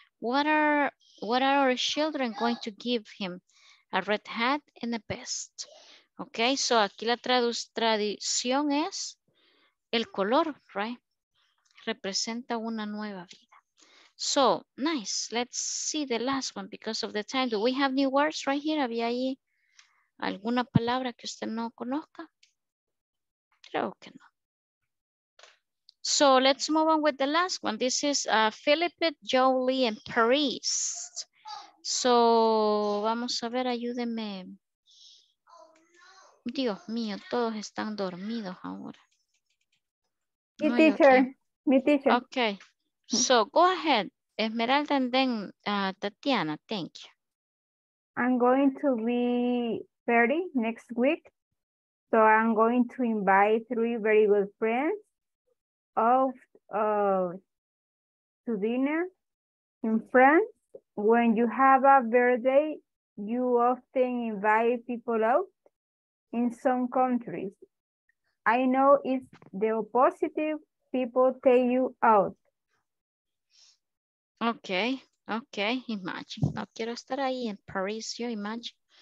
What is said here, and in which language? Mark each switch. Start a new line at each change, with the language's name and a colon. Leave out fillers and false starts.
English: What are our children going to give him? A red hat and a vest.
Spanish: Okay, so aquí la tradición es el color, right? Representa una nueva vida.
English: So, nice. Let's see the last one because of the time. Do we have new words right here?
Spanish: ¿Había ahí alguna palabra que usted no conozca? Creo que no.
English: So, let's move on with the last one. This is Philippe, Jolie, and Paris.
Spanish: So, vamos a ver, ayúdeme. Dios mío, todos están dormidos ahora. Mi teacher.
English: Okay. So, go ahead. Esmeralda and then Tatiana, thank you. I'm going to be 30 next week. So I'm going to invite 3 very good friends of to dinner in France. When you have a birthday, you often invite people out in some countries. I know it's the opposite, people take you out. Okay, Okay, imagine.
Spanish: No quiero estar ahí en París, yo imagine.